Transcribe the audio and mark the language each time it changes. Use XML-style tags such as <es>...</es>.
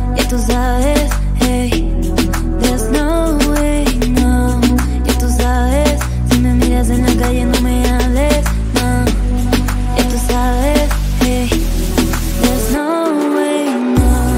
<es>Tú sabes,</es> <en>hey, there's no way, no.</en> <es>Y tú sabes, si me miras en la calle no me hables, no. Y tú sabes,</es> <en>hey, there's no way, no.</en>